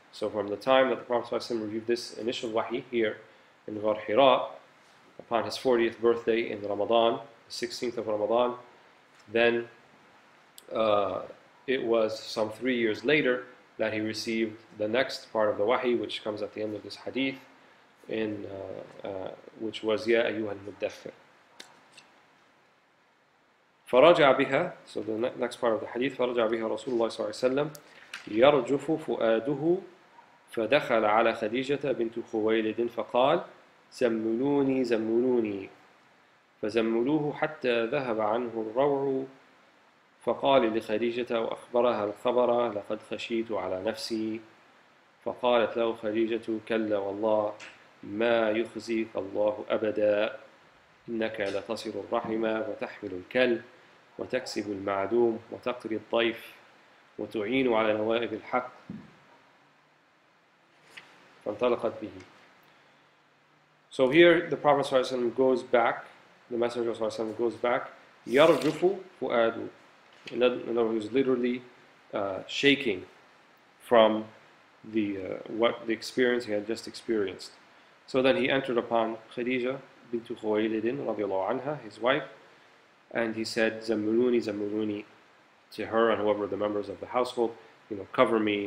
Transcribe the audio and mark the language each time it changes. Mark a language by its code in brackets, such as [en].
[en] So from the time that the Prophet ﷺ reviewed this initial Wahi here in Ghar Hira, upon his 40th birthday in Ramadan, the 16th of Ramadan, then it was some 3 years later that he received the next part of the Wahi, which comes at the end of this hadith, in which was [ar] Ya Ayyuha al-Muddathir. فَرَجَعَ بِهَا, [en] so the next part of the hadith, [ar] فَرَجَعَ بِهَا رَسُولُ اللَّهِ صَلَّى اللَّهِ عَلَيْهِ وَسَلَّمَ يَرْجُفُ فُؤَادُهُ فَدَخَلَ عَلَى خَدِيجَةَ بِنْتُ خُوَيْلِدٍ فَقَالَ زَمُّنُونِي زَمُّنُونِي, فزملوه حتى ذهب عنه الروع فقال لخديجه واخبرها الخبر لقد خشيت على نفسي فقالت له خديجه كلا والله ما يخزيك الله ابدا انك لتصل الرحم وتحمل الكل وتكسب المعدوم وتقري الضيف وتعين على نوائب الحق فانطلقت به. [en] So here the Prophet صلى الله عليه وسلم goes back, the Messenger صلى الله عليه وسلم goes back, [ar] يرجف فؤاده. [en] In other words, he's literally shaking from the what the experience he had just experienced. So then he entered upon Khadija bint Khuwaylid radiallahu anha, his wife, and he said, Zamuluni, Zamuluni, to her and whoever the members of the household, you know, cover me.